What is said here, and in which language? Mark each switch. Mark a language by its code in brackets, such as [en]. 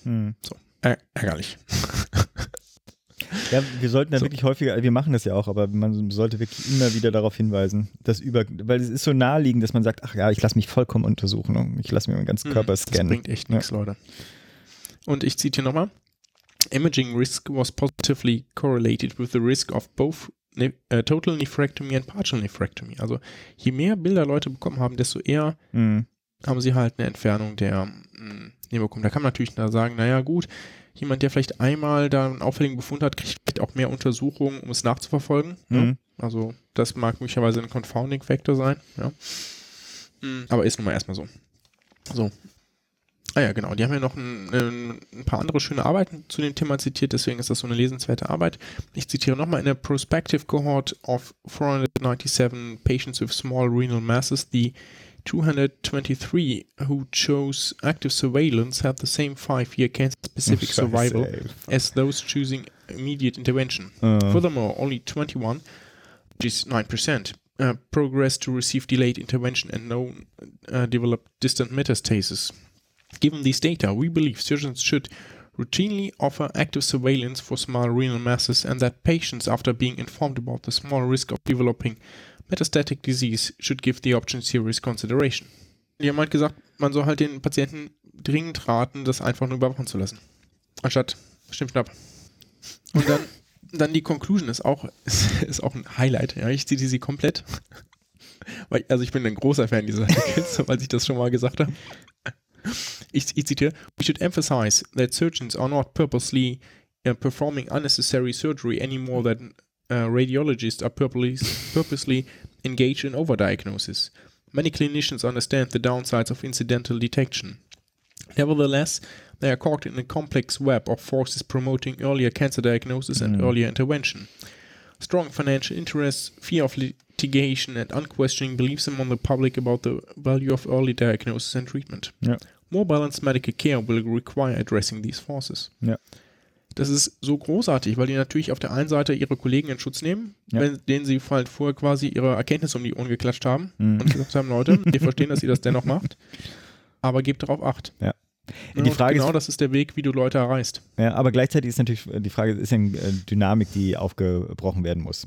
[de] So, ärgerlich. Ja, wir sollten da wirklich häufiger, wir machen das ja auch, aber man sollte wirklich immer wieder darauf hinweisen, weil es ist so naheliegend, dass man sagt, ach ja, ich lasse mich vollkommen untersuchen, ich lasse mir meinen ganzen Körper scannen. Das bringt echt nichts, Leute. Und ich zitiere nochmal. [en] imaging risk was positively correlated with the risk of both total nephrectomy and partial nephrectomy. [de] Also je mehr Bilder Leute bekommen haben, desto eher haben sie halt eine Entfernung der Nebenwirkung. Da kann man natürlich nur sagen, naja gut, jemand, der vielleicht einmal da einen auffälligen Befund hat, kriegt vielleicht auch mehr Untersuchungen, um es nachzuverfolgen. Mhm. Ne? Also das mag möglicherweise ein Confounding Factor sein. Ja. Aber ist nun mal erstmal so. So. Ah ja, genau. Die haben ja noch ein paar andere schöne Arbeiten zu dem Thema zitiert, deswegen ist das so eine lesenswerte Arbeit. Ich zitiere nochmal: [en] In a prospective cohort of 497 patients with small renal masses, the 223 who chose active surveillance had the same 5-year cancer-specific survival as those choosing immediate intervention. Furthermore, only 21, which is 9%, progressed to receive delayed intervention and no developed distant metastasis. Given these data, we believe surgeons should routinely offer active surveillance for small renal masses and that patients, after being informed about the small risk of developing metastatic disease, should give the option serious consideration. [de] Die haben halt gesagt, man soll halt den Patienten dringend raten, das einfach nur überwachen zu lassen. Anstatt Schnippschnapp. Und dann die Conclusion ist auch ein Highlight. Ja, ich zitiere sie komplett. Weil, also ich bin ein großer Fan dieser Kids, weil ich das schon mal gesagt habe. Ich zitiere: [en] We should emphasize that surgeons are not purposely performing unnecessary surgery any more than radiologists are purposely engaged in overdiagnosis. Many clinicians understand the downsides of incidental detection. Nevertheless, they are caught in a complex web of forces promoting earlier cancer diagnosis and earlier intervention. Strong financial interests, fear of litigation and unquestioning beliefs among the public about the value of early diagnosis and treatment. Yeah. More balanced medical care will require addressing these forces. Yeah. [de] Das ist so großartig, weil die natürlich auf der einen Seite ihre Kollegen in Schutz nehmen, denen sie halt vorher quasi ihre Erkenntnisse um die Ohren geklatscht haben und gesagt haben, Leute, wir verstehen, dass ihr das dennoch macht, aber gebt darauf Acht. Ja. Und die Frage genau ist, das ist der Weg, wie du Leute erreichst. Ja, aber gleichzeitig ist natürlich die Frage, ist ja eine Dynamik, die aufgebrochen werden muss.